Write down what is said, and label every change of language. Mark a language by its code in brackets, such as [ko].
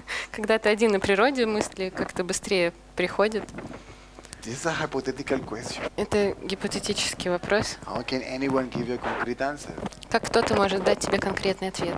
[ru] Когда ты один на природе, мысли как-то быстрее приходят. [en] This is a hypothetical question. [ru] Это гипотетический вопрос. [en] How can anyone give you a concrete answer? [ru] Как кто-то может дать тебе конкретный ответ?